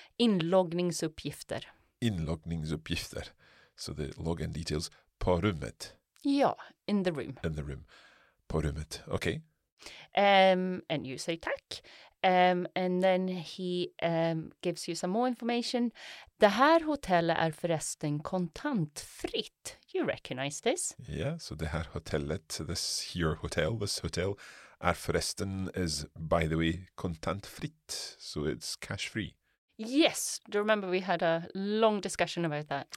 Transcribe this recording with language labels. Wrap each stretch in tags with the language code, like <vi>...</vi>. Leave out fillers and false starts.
<sv>Inloggningsuppgifter. Inloggningsuppgifter.</sv> <en>So the login details.</en> <sv>På rummet. Ja,</sv> <en>in the room. In the room.</en> <sv>På rummet.</sv> <en>Okay. And you say tack. And then he gives you some more information.</en> <sv>Det här hotellet är förresten kontantfritt.</sv> <en>You recognize this? Yeah, so</en> <sv>det här hotellet,</sv> <en>this hotel,</en> <sv>är förresten</sv> <en>is, by the way,</en> <sv>kontantfritt.</sv> <en>So it's cash free. Yes, do you remember we had a long discussion about that?</en>